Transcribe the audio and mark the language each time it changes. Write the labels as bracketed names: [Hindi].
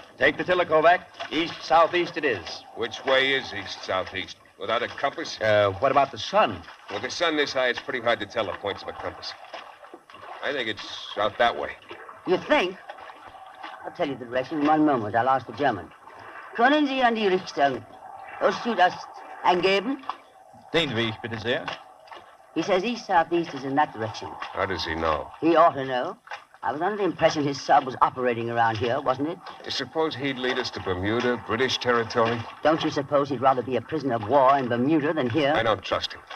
[English] Take the tiller, Kovac. East-southeast it is. Which way is east-southeast? Without a compass? What about the sun? Well, the sun this high, it's pretty hard to tell the points of a compass. I think it's out that way. You think? I'll tell you the direction in one moment. I'll ask the German. [German] Können Sie an die Richtung Ost-Südost angeben? Sehen Sie, bitte sehr. [English] He says east-southeast is in that direction. How does he know? He ought to know. I was under the impression his sub was operating around here, wasn't it? Suppose he'd lead us to Bermuda, British territory? Don't you suppose he'd rather be a prisoner of war in Bermuda than here? I don't trust him.